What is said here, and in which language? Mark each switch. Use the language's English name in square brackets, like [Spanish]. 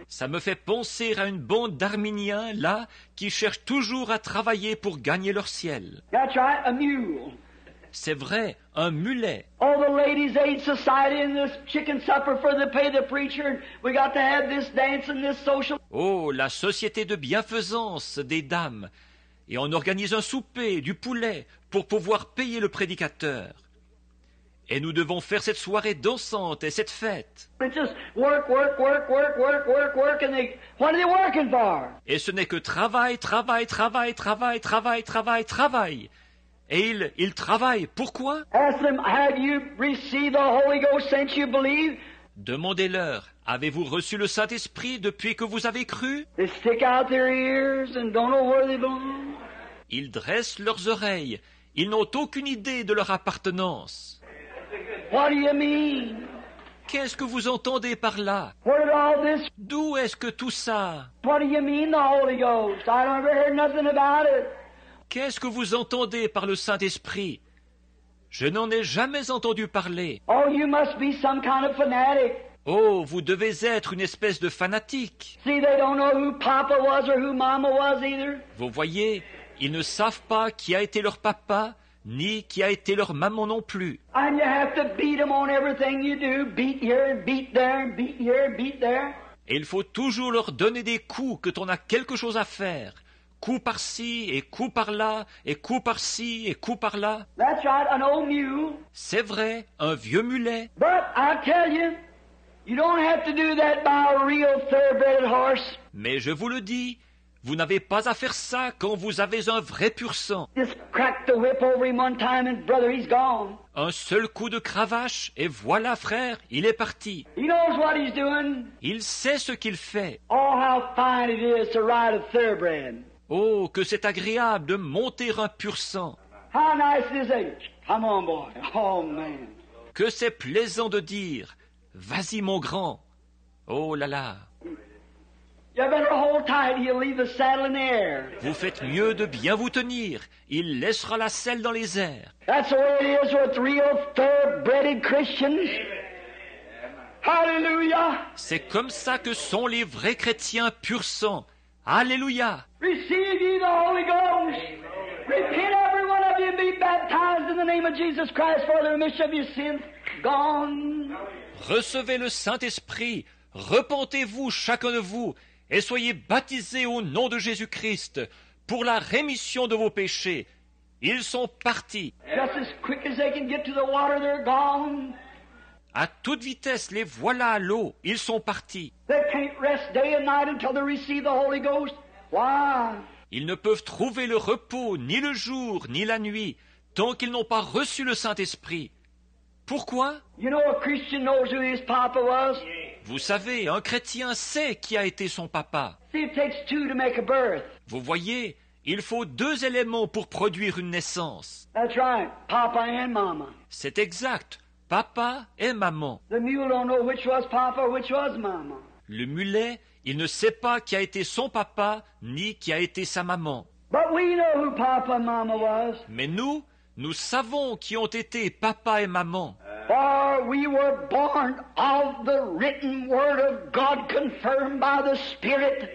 [French] Ça me fait penser à une bande d'Arméniens là qui cherchent toujours à travailler pour gagner leur ciel. [English] That's right, a mule. [French] C'est vrai, un mulet. [English] All the ladies' aid society and this chicken supper for the pay the preacher. We got to have this dance and this social. [French] Oh, la société de bienfaisance des dames. Et on organise un souper, du poulet, pour pouvoir payer le prédicateur. Et nous devons faire cette soirée dansante et cette fête. [English] It's just work, work, work, work, work, work, work, and they, what are they working for? [French] Et ce n'est que travail, travail, travail, travail, travail, travail, travail. Et ils travaillent. Pourquoi? [English] Ask them, have you received the Holy Ghost since you believe? [French] Demandez-leur. Avez-vous reçu le Saint-Esprit depuis que vous avez cru? [English] They stick out their ears and don't know where they belong. [French] Ils dressent leurs oreilles. Ils n'ont aucune idée de leur appartenance. [English] What do you mean? [French] Qu'est-ce que vous entendez par là? [English] Where did all this... [French] D'où est-ce que tout ça? [English] What do you mean, the Holy Ghost? I never heard nothing about it. [French] Qu'est-ce que vous entendez par le Saint-Esprit? Je n'en ai jamais entendu parler. [English] Oh, you must be some kind of fanatic. [French] Oh, vous devez être une espèce de fanatique. [English] See, they don't know who papa was or who mama was either. [French] Vous voyez, ils ne savent pas qui a été leur papa, ni qui a été leur maman non plus. [English] And you have to beat them on everything you do. Beat here, beat there, beat here, beat there. [French] Et il faut toujours leur donner des coups quand on a quelque chose à faire. Coup par-ci, et coup par-là, et coup par-ci, et coup par-là. [English] That's right, an old mule. [French] C'est vrai, un vieux mulet. [English] But I tell you, you don't have to do that by a real thoroughbred horse. [French] Mais je vous le dis, vous n'avez pas à faire ça quand vous avez un vrai pur sang. [English] Just crack the whip over him one time and brother, he's gone. [French] Un seul coup de cravache et voilà frère, il est parti. [English] He knows what he's doing. [French] Il sait ce qu'il fait. [English] Oh, how fine it is to ride a thoroughbred. [French] Oh, que c'est agréable de monter un pur sang. [English] How nice is it? Come on, boy. Oh, man. [French] Que c'est plaisant de dire, vas-y, mon grand. Oh là là. [English] You better hold tight, he'll leave the saddle in the air. [French] Vous faites mieux de bien vous tenir. Il laissera la selle dans les airs. [English] That's the way it is with real third-bred Christians. Hallelujah. [French] C'est comme ça que sont les vrais chrétiens pur sang. Alléluia. [English] Receive ye the Holy Ghost. Repent, every one of you, and be baptized in the name of Jesus Christ for the remission of your sins. Gone. [French] Recevez le Saint-Esprit, repentez-vous chacun de vous, et soyez baptisés au nom de Jésus-Christ pour la rémission de vos péchés. Ils sont partis. [English] Just as quick as they can get to the water, they're gone. [French] À toute vitesse, les voilà à l'eau. Ils sont partis. [English] They can't rest day and night until they receive the Holy Ghost. Why? [French] Ils ne peuvent trouver le repos ni le jour ni la nuit tant qu'ils n'ont pas reçu le Saint-Esprit. Pourquoi? [English] You know, a Christian knows who his papa was. [French] Vous savez, un chrétien sait qui a été son papa. [English] See, it takes two to make a birth. [French] Vous voyez, il faut deux éléments pour produire une naissance. [English] That's right, papa and mama. [French] C'est exact, papa et maman. [English] The mule don't know which was papa or which was mama. [French] Le mulet, il ne sait pas qui a été son papa ni qui a été sa maman. [English] But we know who papa and mama was. [French] Mais nous, nous savons qui ont été papa et maman. [English] For we were born of the written word of God confirmed by the Spirit.